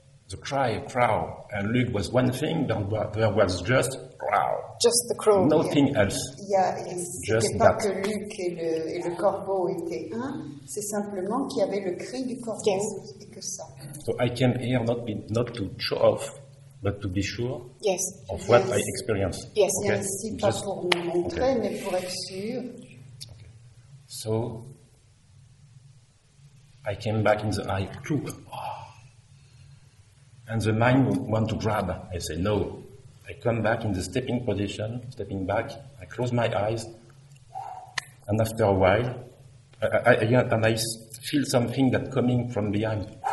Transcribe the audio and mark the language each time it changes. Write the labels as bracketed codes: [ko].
[en] The cry, a crow, and Luke was one thing, but there was just crow. Just the crow. Nothing else. Yeah, just that. [fr] Pas que Luke et le corbeau étaient un, c'est simplement qu'il y avait le cri du corbeau, [en] yes. [fr] Et que ça. [en] So I came here not to show off, but to be sure, yes, of what, yes, I experienced. Yes, okay. [fr] Yes, si, pas pour me montrer, okay, mais pour être sûr. [en] Okay. So I came back in the eye, too. And the mind want to grab. I say, no. I come back in the stepping position, stepping back. I close my eyes. And after a while, I feel something that coming from behind.